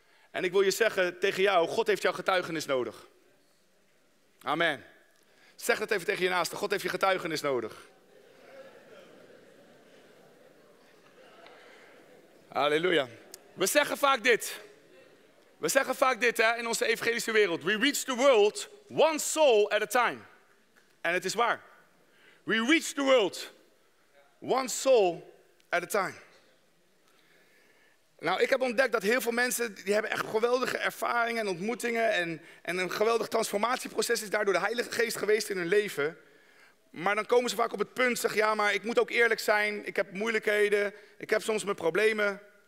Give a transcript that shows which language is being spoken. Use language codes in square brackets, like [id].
[nl] En ik wil je zeggen tegen jou, God heeft jouw getuigenis nodig. Amen. Zeg dat even tegen je naaste, God heeft je getuigenis nodig. Halleluja. We zeggen vaak dit. We zeggen vaak dit hè, in onze evangelische wereld. [en] We reach the world one soul at a time. [nl] En het is waar. [en] We reach the world one soul at a time. [nl] Nou, ik heb ontdekt dat heel veel mensen, die hebben echt geweldige ervaringen en ontmoetingen en een geweldig transformatieproces is daardoor de Heilige Geest geweest in hun leven. Maar dan komen ze vaak op het punt, zeg ja, maar ik moet ook eerlijk zijn, ik heb moeilijkheden, ik heb soms mijn problemen.